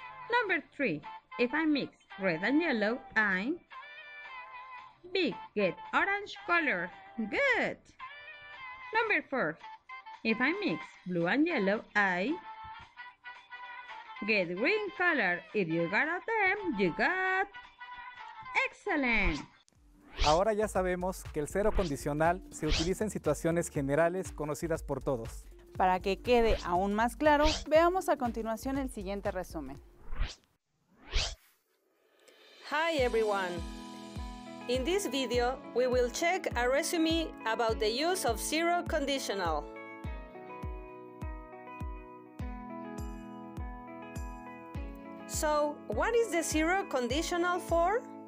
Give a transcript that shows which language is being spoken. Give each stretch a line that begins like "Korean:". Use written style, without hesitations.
English: Number three, if I mix red and yellow, I B. get orange color. Good. Number four, if I mix blue and yellow, I get green color. If you got all them, you got excellent.
Spanish: Ahora ya sabemos que el cero condicional se utiliza en situaciones generales conocidas por todos. Para que quede aún más claro, veamos a continuación el siguiente resumen.
English: Hi everyone. In this video, we will check a resume about the use of zero conditional. So, what is the zero conditional for?